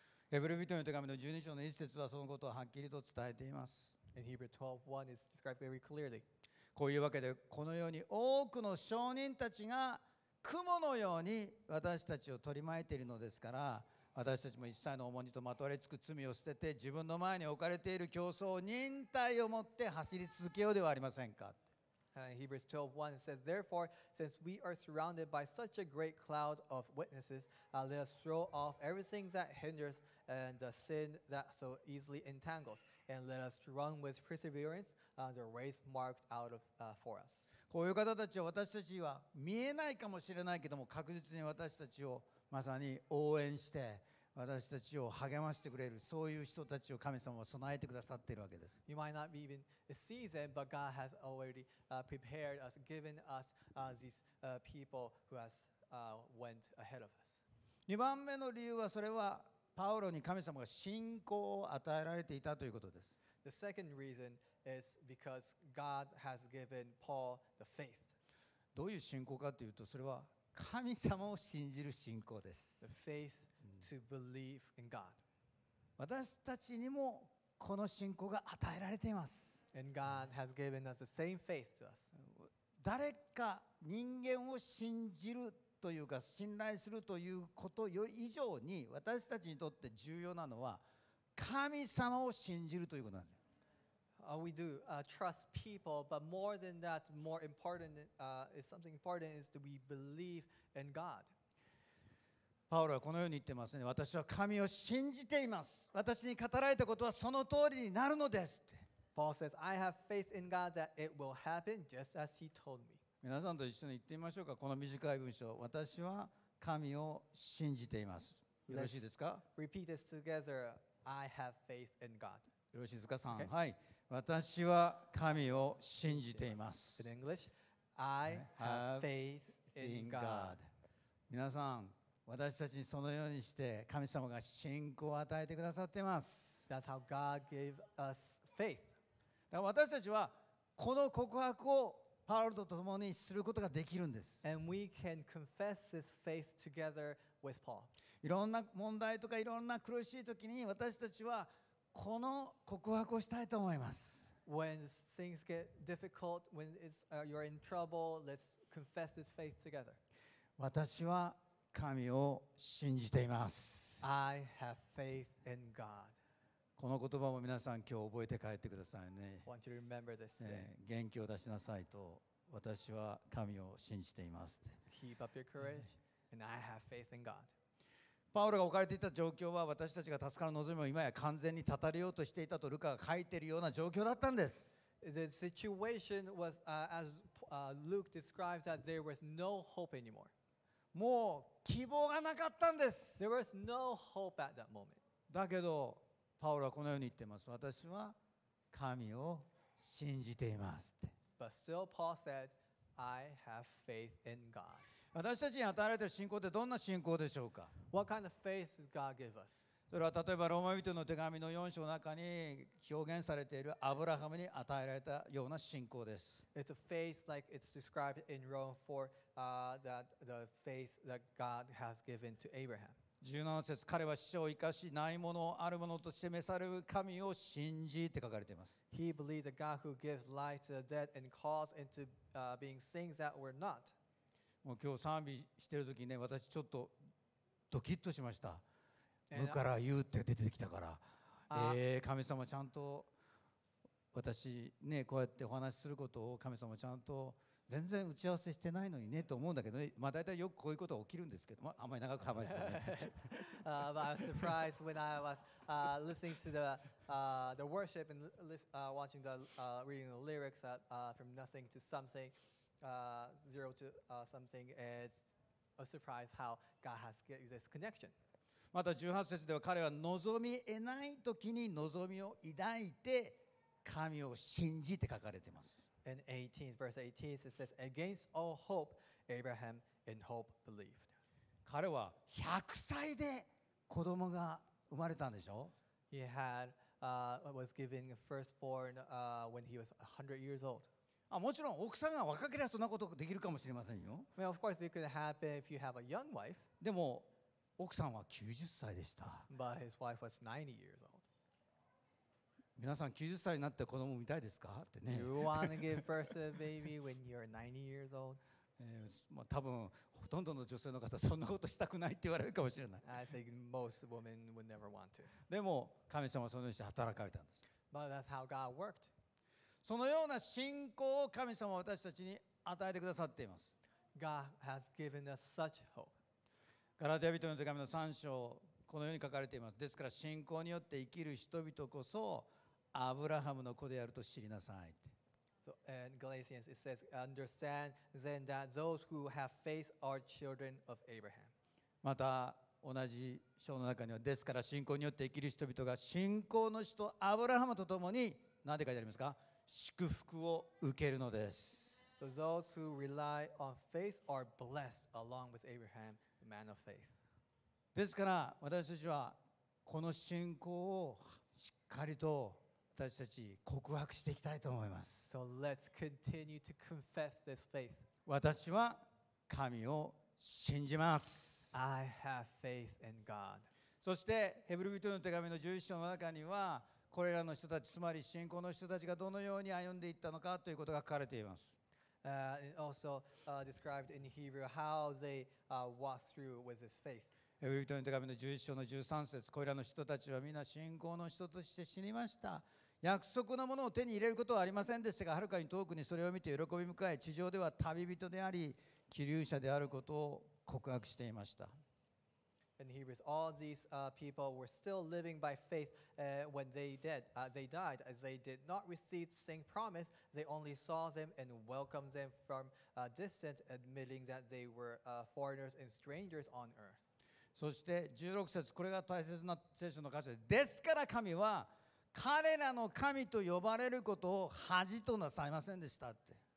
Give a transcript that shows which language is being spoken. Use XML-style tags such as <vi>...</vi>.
<ja>ヘブル人への手紙の12章の1節はそのことをはっきりと伝えています。</ja> <en>And Hebrews 12:1 is described very clearly.</en> <ja>こういうわけで、このように多くの証人たちが雲のように私たちを取り巻いているのですから、私たちも一切の重荷とまとわれつく罪を捨てて、自分の前に置かれている競争を忍耐を持って走り続けようではありませんか。</ja> <en>Hebrews 12:1 says, Therefore, since we are surrounded by such a great cloud of witnesses, let us throw off everything that hinders and the sin that so easily entangles, and let us run with perseverance the race marked out of, for us.</en> <ja>こういう方たちは私たちは見えないかもしれないけども、確実に私たちをまさに応援して私たちを励ましてくれる、そういう人たちを神様は備えてくださっているわけです。</ja> <en>You might not be even see them, but God has already prepared us, given us these people who has went ahead of us.</en> <ja>2番目の理由は、それはパウロに神様が信仰を与えられていたということです。</ja> <en>The second reason is because God has given Paul the faith.</en> <ja>どういう信仰かというと、それは神様を信じる信仰です。</ja> <en>The faith to believe in God.</en> <ja>私たちにもこの信仰が与えられています。</ja> <en>And God has given us the same faith to us.</en> <ja>誰か人間を信じるというか信頼するということより以上に、私たちにとって重要なのは神様を信じるということなんです。</ja> <en>We do trust people, but more than that, more important is something important is that we believe in God.</en> <ja>パウロはこのように言ってますね。私は神を信じています。私に語られたことはその通りになるのです。</ja> <en>Paul says, I have faith in God that it will happen just as he told me.</en> <ja>皆さんと一緒に言ってみましょうか。この短い文章、私は神を信じています。よろしいですか？</ja> <en>Let's repeat this together. I have faith in God.</en> <ja>よろしいですか、さん。Okay. はい。私は神を信じています。</ja> <en>In English, I have faith in God.</en> <ja>皆さん、私たちにそのようにして神様が信仰を与えてくださっています。</ja> <en>That's how God gave us faith.</en> <ja>だから私たちはこの告白をパウロと共にすることができるんです。</ja> <en>And we can confess this faith together with Paul.</en> <ja>いろんな問題とかいろんな苦しい時に私たちはこの告白をしたいと思います。</ja> <en>When things get difficult, when you're in trouble, let's confess this faith together.</en> <ja>私は神を信じています。</ja> <en>I have faith in God.</en> <ja>この言葉も皆さん今日覚えて帰ってくださいね。</ja> <en>I want you to remember this today.</en> <ja>元気を出しなさいと、私は神を信じています。</ja> <en>Keep up your courage, and I have faith in God.</en> <ja>パウロが置かれていた状況は、私たちが助かる望みを今や完全に絶たれようとしていたとルカが書いているような状況だったんです。</ja> <en>The situation was as Luke describes that there was no hope anymore.</en> <ja>もう希望がなかったんです。</ja> <en>There was no hope at that moment.</en> <ja>だけどパウロはこのように言っています。私は神を信じていますって。</ja> <en>But still Paul said, I have faith in God.</en> <ja>私たちに与えられている信仰ってどんな信仰でしょうか。</ja> <en>What kind of faith does God give us?</en> <ja>それは例えばローマ人の手紙の4章の中に表現されているアブラハムに与えられたような信仰です。</ja> <en>It's a faith like it's described in Rome for the faith that God has given to Abraham.</en> <ja>17節、彼は死を生かしないものをあるものとして召される神を信じって書かれています。</ja> <en>He believed the God who gives life to the dead and calls into being things that were not.</en> <ja>もう今日賛美してる時にね、私ちょっとドキッとしました。無から有って出てきたから、神様ちゃんと私ね、こうやってお話しすることを神様ちゃんと全然打ち合わせしてないのにねと思うんだけどね、まあ、大体よくこういうことが起きるんですけど、まあ、あんまり長く話してないです。</ja> <en>I was surprised when I was listening to the worship and watching the reading the lyrics that from nothing to something, zero to something, it's a surprise how God has get this connection.</en> <ja>また18節では彼は望み得ない時に望みを抱いて神を信じって書かれています。</ja> <en>In 18, verse 18, it says, Against all hope, Abraham in hope believed.</en> <ja>彼は100歳で子供が生まれたんでしょ？</ja> <en>He had, was given a firstborn, when he was 100 years old.</en> <ja>あ、もちろん奥さんが若ければそんなことができるかもしれませんよ。</ja> <en>Well, of course, it could happen if you have a young wife.</en> <ja>でも奥さんは90歳でした。</ja> <en>But his wife was 90 years old.</en> <ja>皆さん90歳になって子供を産みたいですかってね。</ja> <en>You want to give birth to a baby when you're 90 years old?</en> <ja>まあ、多分ほとんどの女性の方そんなことしたくないって言われるかもしれない。</ja> <en>I think most women would never want to.</en> <ja>でも神様はそのようにして働かれたんです。</ja> <en>But that's how God worked.</en> <ja>そのような信仰を神様は私たちに与えてくださっています。</ja> <en>God has given us such hope.</en> <ja>ガラテヤ人の手紙の3章このように書かれています。ですから信仰によって生きる人々こそアブラハムの子であると知りなさい。</ja> <en>So, and Galatians it says, understand then that those who have faith are children of Abraham.</en> <ja>また同じ章の中にはですから信仰によって生きる人々が信仰の人アブラハムとともに何て書いてありますか？祝福を受けるのです。</ja> <en>So those who rely on faith are blessed along with Abraham. Man of faith.</en> <ja>ですから私たちはこの信仰をしっかりと私たち告白していきたいと思います。</ja> <en>So let's continue to confess this faith.</en> <ja>私は神を信じます。</ja> <en>I have faith in God.</en> <ja>そしてヘブル人の手紙の11章の中にはこれらの人たち、つまり信仰の人たちがどのように歩んでいったのかということが書かれています。</ja> <en>Also described in Hebrew how they walked through with this faith.</en> <ja>エブリ人の手紙の11章の13節、こいらの人たちはみんな信仰の人として死にました。約束のものを手に入れることはありませんでしたが、はるかに遠くにそれを見て喜び迎え、地上では旅人であり寄留者であることを告白していました。</ja> <en>In Hebrews all these people were still living by faith when they died, as they did not receive the same promise. They only saw them and welcomed them from a distance, admitting that they were foreigners and strangers on earth.</en> <ja>そして16節、これが大切な聖書の箇所です。ですから神は彼らの神と呼ばれることを恥となさいませんでしたって。</ja>